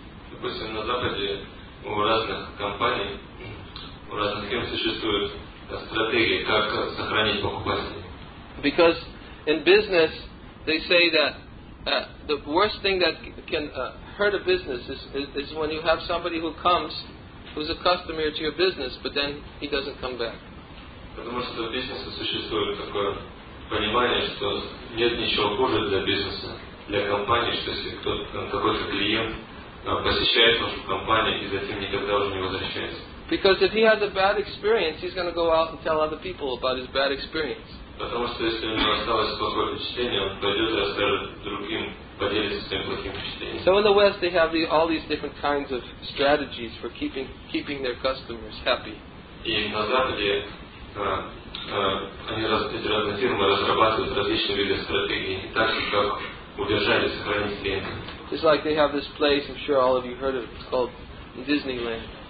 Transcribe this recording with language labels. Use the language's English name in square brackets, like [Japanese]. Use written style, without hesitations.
[Russian] Допустим, на Западе у разных компаний, у разных фирм существуют стратегии, как сохранить покупателей. [English] Because in business, they say that the worst thing that can hurt a business is when you have somebody who comes, who's a customer to your business, but then he doesn't come back. [Russian] Потому что в бизнесе существует такое понимание, что нет ничего хуже для бизнеса, для компании, что если какой-то клиент посещает вашу компанию и затем никогда уже не возвращается. [English] Because if he has a bad experience, he's going to go out and tell other people about his bad experience. [Russian] Потому что если у него осталось плохое впечатление, он пойдет и расскажет другим, поделится своим плохим впечатлением. [English] So in the West they have all these different kinds of strategies for keeping their customers happy. [Russian] И на Западе эти разные фирмы разрабатывают различные виды стратегий, так же как удержать и сохранить клиента. [English] It's like they have this place, I'm sure all of you heard of it, it's called Disneyland.